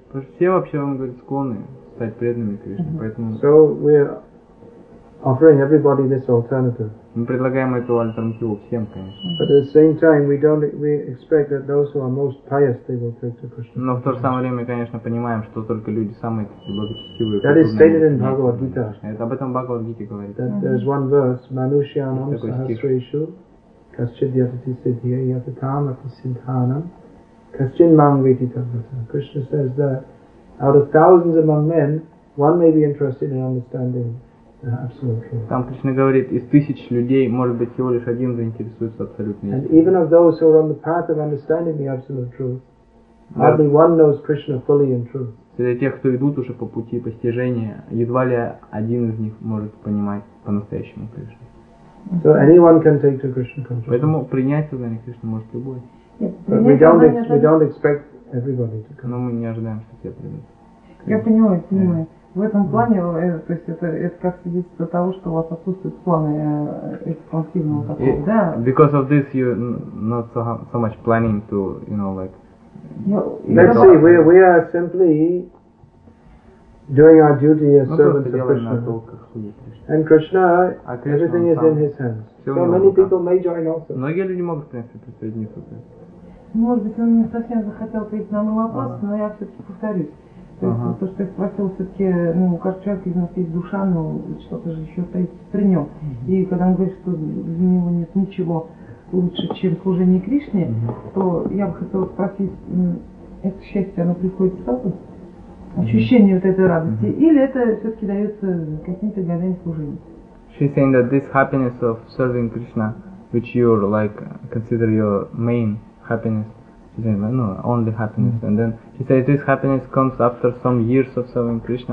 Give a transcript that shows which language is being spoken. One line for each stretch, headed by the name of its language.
Russian: Потому что все вообще, он говорит, склонны. Стать преданными Кришне, поэтому...
English: So we're offering everybody this alternative.
Russian: Мы предлагаем эту альтернативу всем, конечно.
English: But at the same time, we expect that those who are most pious, they will take to Krishna.
Russian: Но в то же самое время, конечно, понимаем, что только люди самые такие благочестивые.
English: That is stated in Bhagavad Gita.
Russian: Это об этом Бхагавад Гите говорит.
English: That there's one verse,
Sanskrit: Manushyanam Sahasreshu, Kaschid Yatati Siddhya, Yatatam Ati Siddhanam, Kaschin Mangviti Tavata.
English: Krishna says that out of thousands among men, one may be interested in understanding the absolute truth.
Russian: Там Кришна говорит, из тысяч людей может быть всего лишь один заинтересуется абсолютной.
English: And even of those who are on the path of understanding the absolute truth, hardly one knows Krishna fully and truth.
Russian: Среди тех, кто идут уже по пути постижения, едва ли один из них может понимать по-настоящему Кришну.
English: So anyone can take to Krishna consciousness.
Russian: Поэтому принять сознание Кришны может любой.
English: We don't expect everybody to come.
Russian: Но мы не ожидаем, что все придут. Я понимаю, понимаю. Yeah. В этом плане, то есть это как свидетельство того, что у вас отсутствуют планы экспансивного такого, да?
English: Because of this, you not so much planning to, you know, like. Let's see. We are simply doing our duty as servants of Krishna. And Krishna, everything is in His hands. So many people may join also.
Russian: Многие люди могут, в принципе, присоединиться. Может быть, он не совсем захотел ответить на мой вопрос, но я все-таки повторюсь. То есть то, что я спросил, все-таки, ну, у каждого человека из нас есть душа, но что-то же еще стоит при нем. И когда он говорит, что для него нет ничего лучше, чем служение Кришне, то я бы хотела спросить, это счастье, оно приходит сразу? Ощущение вот этой радости? Или это все-таки дается каким-то годами служения?
English: She's saying that this happiness of serving Krishna, which you like consider your main happiness, she said, no, only happiness. And then she says this happiness comes after some years of serving Krishna.